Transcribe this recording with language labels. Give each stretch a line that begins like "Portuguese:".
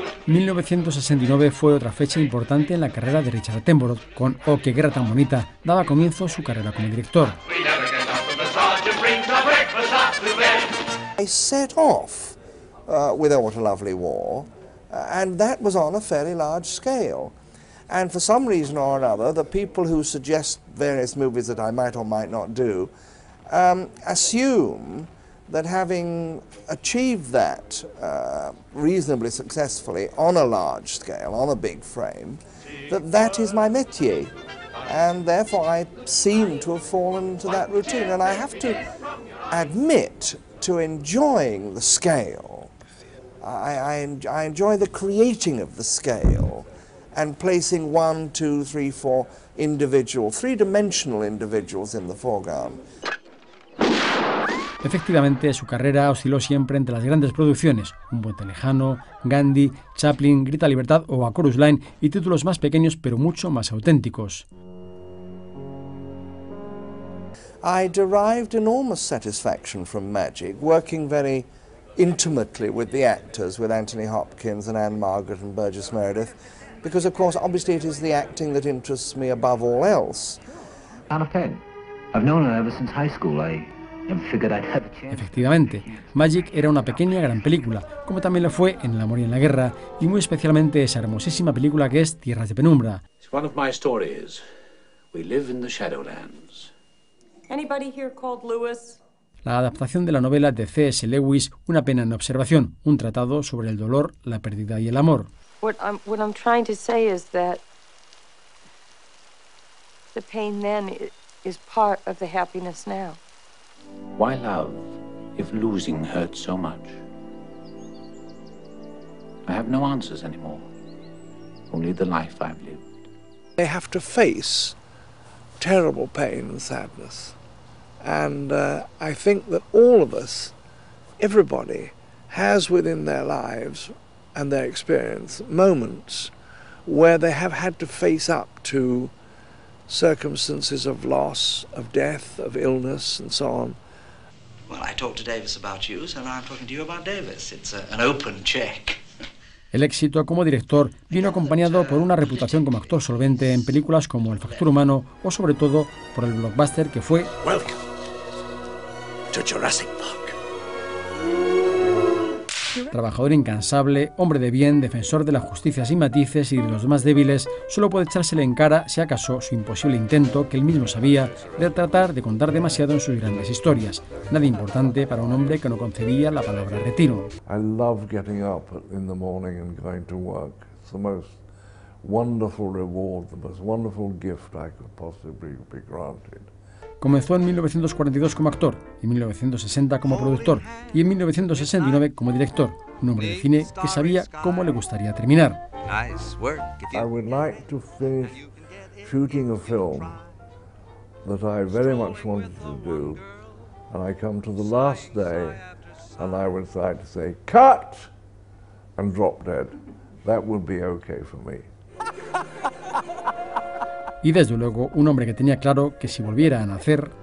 Spanish: 1969 fue otra fecha importante en la carrera de Richard Attenborough, con Oh, qué guerra tan bonita, daba comienzo su carrera como director.
English: I set off with Oh, what a lovely war, and that was on a fairly large scale. And for some reason or another, the people who suggest various movies that I might or might not do assume that having achieved that reasonably successfully on a large scale, on a big frame, that is my métier. And therefore I seem to have fallen to that routine. And I have to admit to enjoying the scale. I enjoy the creating of the scale and placing one, two, three, four individual, three-dimensional individuals in the foreground.
Spanish: Efectivamente, su carrera osciló siempre entre las grandes producciones, Un puente lejano, Ghandi, Chaplin, Grita Libertad o A Chorus Line, y títulos más pequeños pero mucho más auténticos.
English: I derived enormous satisfaction from magic, working very intimately with the actors, with Anthony Hopkins and Anne Margaret and Burgess Meredith, because of course, obviously it is the acting that interests me above all else. Anna Penn, I've known her ever since high school,
Spanish: Efectivamente, Magic era una pequeña gran película, como también lo fue En el amor y en la guerra, y muy especialmente esa hermosísima película que es Tierras de penumbra.
English: It's one of my stories. We live in the Shadowlands. Anybody here called Lewis?
Spanish: La adaptación de la novela de C.S. Lewis, Una pena en observación, un tratado sobre el dolor, la pérdida y el amor.
English: What I'm trying to say is that the pain then is part of the happiness now. Why love if losing hurts so much? I have no answers anymore, only the life I've lived. They have to face terrible pain and sadness. And I think that all of us, everybody, has within their lives and their experience moments where they have had to face up to circumstances of loss, of death, of illness, and so on. Well, I talked to Davis about you, so now I'm talking to you about Davis. It's an open check.
Spanish: El éxito como director vino acompañado por una reputación como actor solvente en películas como El factor humano o sobre todo por el blockbuster que fue
English: Welcome to Jurassic Park.
Spanish: Trabajador incansable, hombre de bien, defensor de la justicia sin matices y de los más débiles, solo puede echársele en cara, si acaso, su imposible intento, que él mismo sabía, de tratar de contar demasiado en sus grandes historias. Nada importante para un hombre que no concebía la palabra retiro.
English: I love getting up in the morning and going to work. It's the most wonderful reward, the most wonderful gift I could possibly be granted.
Spanish: Comenzó en 1942 como actor, en 1960 como productor y en 1969 como director, un hombre de cine que sabía cómo le gustaría terminar.
English: I would like to finish shooting a film that I very much wanted to do, and I come to the last day and I would decide to say cut and drop dead. That would be okay for me.
Spanish: Y desde luego, un hombre que tenía claro que si volviera a nacer...